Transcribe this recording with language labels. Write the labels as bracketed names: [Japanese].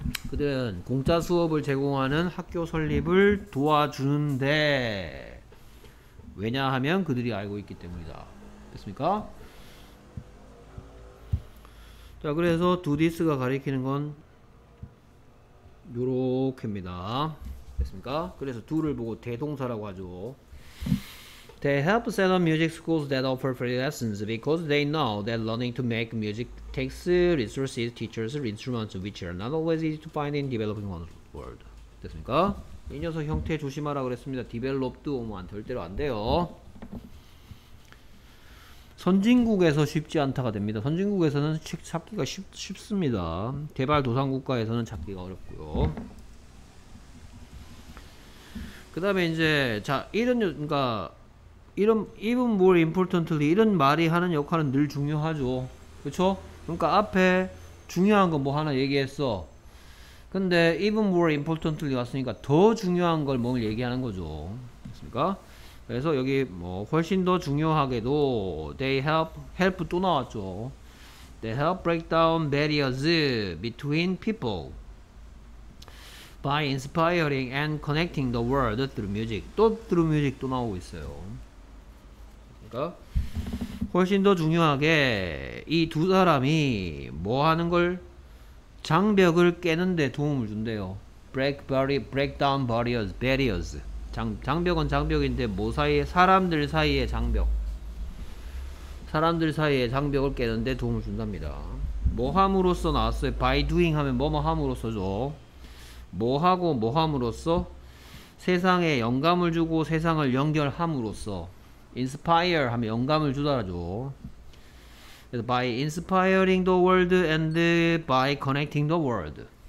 [Korean] 그들은 공짜 수업을 제공하는 학교 설립을 도와주는데 왜냐하면 그들이 알고 있기 때문이다. 됐습니까? 자, 그래서 [English] do this [Korean] 가 가리키는 건 요렇게입니다. 됐습니까? 그래서 do를 보고 대동사라고 하죠. [English] They help set up music schools that offer free lessons because they know that learning to make music takes resources, teachers, instruments which are not always easy to find in developing world. [Korean] 됐습니까? 이 녀석 형태 조심하라 그랬습니다. developed 오면 절대로 안 돼요. 선진국에서 쉽지 않다가 됩니다. 선진국에서는 찾기가 쉽습니다. 개발도상국가에서는 찾기가 어렵고요. 그 다음에 이제 자 이런 그러니까 이런 [English] even more importantly [Korean] 이런 말이 하는 역할은 늘 중요하죠. 그렇죠? 그러니까 앞에 중요한 거 뭐 하나 얘기했어. 근데 [English] even more importantly [Korean] 왔으니까 더 중요한 걸 뭘 얘기하는 거죠. 됐습니까? 그래서 여기 뭐 훨씬 더 중요하게도 [English] they help [Korean] 또 나왔죠. [English] They help break down barriers between people by inspiring and connecting the world through music. [Korean] 또 [English] through music [Korean] 또 나오고 있어요. 그러니까 훨씬 더 중요하게 이 두 사람이 뭐 하는 걸 장벽을 깨는 데 도움을 준대요. [English] Break down barriers. [Korean] 장벽은 장벽인데 뭐 사이에 사람들 사이에 장벽. 사람들 사이에 장벽을 깨는 데 도움을 준답니다. 뭐 함으로써 나왔어요. [English] by doing [Korean] 하면 뭐뭐 함으로써죠. 뭐 하고 뭐 함으로써 세상에 영감을 주고 세상을 연결함으로써 inspire 하면 영감을 주다라죠. [English] By inspiring the world and by connecting the world.